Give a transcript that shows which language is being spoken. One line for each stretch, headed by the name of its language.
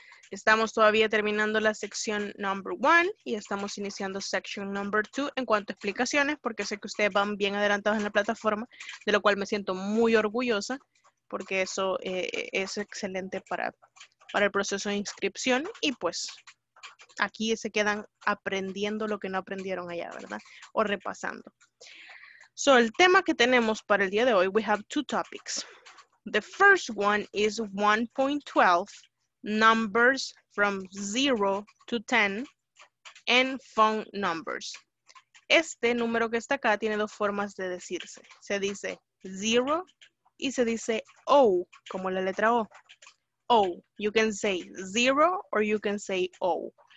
Spanish: Estamos todavía terminando la sección
English: number one
Spanish: y estamos iniciando
English: section number two
Spanish: en cuanto a explicaciones, porque sé que ustedes van bien adelantados en la plataforma, de lo cual me siento muy orgullosa, porque eso es excelente para el proceso de inscripción. Y pues, aquí se quedan aprendiendo lo que no aprendieron allá, ¿verdad? O repasando. So, el tema que tenemos para el día de hoy,
English: we have two topics. The first one is 1.12, numbers from 0 to 10, and phone numbers.
Spanish: Este número que está acá tiene dos formas de decirse. Se dice 0 y se dice O, como la letra O.
English: O, you can say 0 or you can say O.